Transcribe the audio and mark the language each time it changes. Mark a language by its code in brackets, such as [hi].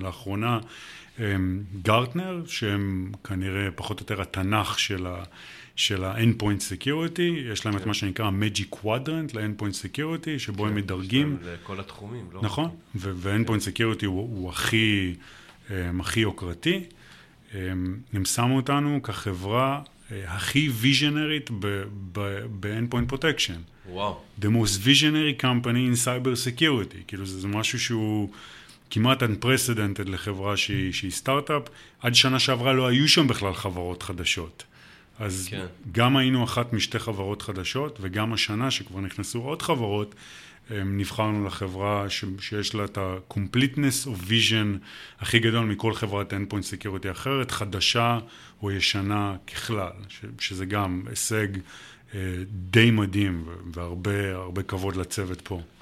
[he] לאחרונה גרטנר, שהם כנראה פחות או יותר התנך של ה-endpoint security, יש להם את מה שנקרא magic quadrant ל-endpoint security, שבו הם מדרגים. לכל התחומים, לא? נכון, ו-endpoint security הוא הכי יוקרתי. הם שמו אותנו כחברה הכי ויז'נרית ב-endpoint protection. וואו. [en] The most visionary company in cyber security. [he] כאילו זה משהו שהוא כמעט unprecedented לחברה שהיא סטארט-אפ. עד שנה שעברה לא היו שם בכלל חברות חדשות. אז גם היינו אחת משתי חברות חדשות, וגם השנה שכבר נכנסו עוד חברות, נבחרנו לחברה שיש לה את ה-completeness of vision הכי גדול מכל חברת endpoint security אחרת, חדשה או ישנה ככלל, שזה גם הישג די מדהים והרבה הרבה כבוד לצוות פה.